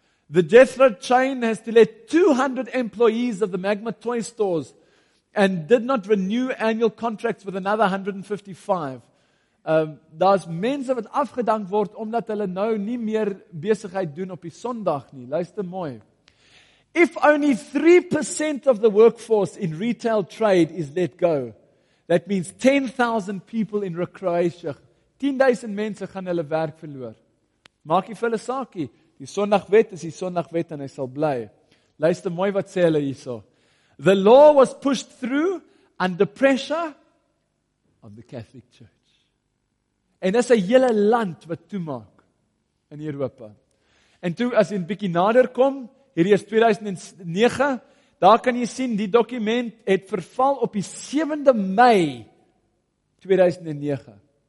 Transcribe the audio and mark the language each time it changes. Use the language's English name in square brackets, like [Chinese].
[English] The Jethro chain has to let 200 employees of the Magma toy stores and did not renew annual contracts with another 155. [Afrikaans] Daar's mense wat afgedank word omdat hulle nou nie meer besigheid doen op die Sondag nie. Luister mooi. [English] If only 3% of the workforce in retail trade is let go, that means 10,000 people in Croatia. [Afrikaans] 10,000 mense gaan hulle werk verloor. Maak jy vir hulle saakie. Die Sondagwet is die Sondagwet en hy sal bly. Luister mooi wat sê hulle hierso. [English] The law was pushed through under pressure of the Catholic Church. [Afrikaans] En dis 'n hele land wat toemaak in Europa. En toe as jy 'n bietjie nader kom, hierdie is 2009, daar kan jy sien die dokument het verval op die 7de Mei 2009.